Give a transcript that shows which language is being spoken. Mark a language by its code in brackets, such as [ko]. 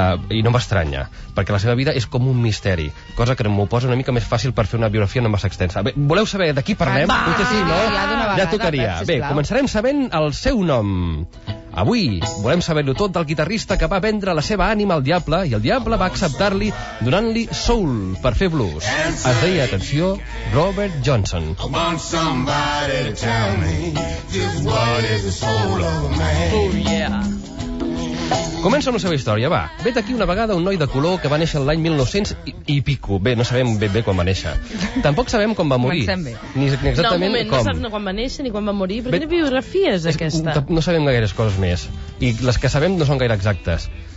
[ca] I no m'estranya, perquè la seva vida és com un misteri, cosa que m'ho posa una mica més fàcil per fer una biografia no massa extensa. Bé, voleu saber de qui parlem? Ja tocaria. Bé, començarem sabent el seu nom. Avui volem saber-ho tot del guitarrista que va vendre la seva ànima al diable i el diable va acceptar-li donant-li soul per fer blues. Es deia, atenció, Robert Johnson. [en] I want somebody to tell me just what is the soul of a man. Oh, yeah. [ca] Comença amb la seva història, va. Ve d'aquí una vegada un noi de color que va néixer l'any 1900 i pico. Bé, no sabem ben bé quan va néixer. Tampoc sabem com va morir. Ni exactament no, moment, com. No saps quan va néixer ni quan va morir. Però quina biografia és aquesta? No sabem gaires coses més. I les que sabem no són gaire exactes.